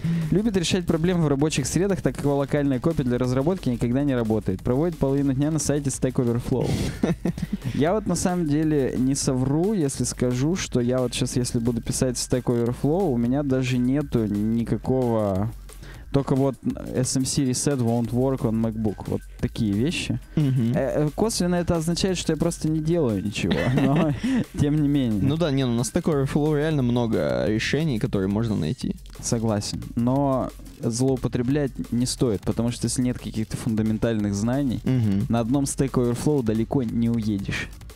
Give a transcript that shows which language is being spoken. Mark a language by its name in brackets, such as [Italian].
[Russian] Любит решать проблемы в рабочих средах, так как его локальная копия для разработки никогда не работает. Проводит половину дня на сайте Stack Overflow. Я вот на самом деле не совру, если скажу, что я вот сейчас, если буду писать Stack Overflow, у меня даже нету никакого... Только вот [English] SMC reset won't work on MacBook. [Russian] Вот такие вещи. Косвенно это означает, что я просто не делаю ничего. Но тем не менее. Ну да, не, у нас такой Overflow реально много решений, которые можно найти. Согласен. Но злоупотреблять не стоит, потому что если нет каких-то фундаментальных знаний, на одном Stack Overflow далеко не уедешь.